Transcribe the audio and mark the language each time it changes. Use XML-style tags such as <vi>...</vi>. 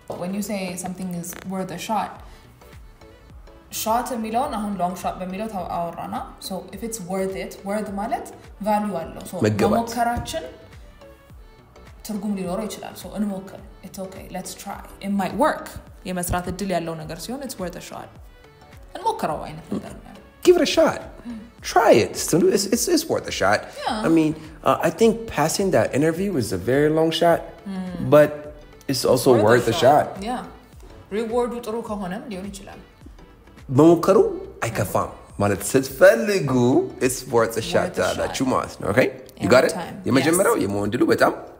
<en>When you say something is worth a shot,</en> <am>ሻት ሚሊዮን አሁን ሎንግ ሻት በሚሊዮን ታወራና</am> <en>so if it's worth it worth ማለት value አለው so</en> <am>መሞከራችን ትርጉም ሊኖረው ይችላል</am> <en>so</en> <am>እንሞክር</am> <en>it's okay let's try it might work</en> <am>የመስራት እድል ያለው ነገር ሲሆን</am> <en>it's worth a shot</en> <am>እንሞክረው አይነት ነገር</am> <en>give it a shot try it it's worth a shot yeah. I mean I think passing that interview was a very long shot but it's also worth a shot</en> <am>yeah reward ጥሩ ከሆነ ሊሆን ይችላል መሞከሩ አይከፋም ማለት ስትፈልጉ</am> <en>it's worth a shot</en> <am>ታላችሁ ማለት ነው</am> <en>okay you got it</en> <am>የመጀመሪያው የመወንድሉ በጣም</am>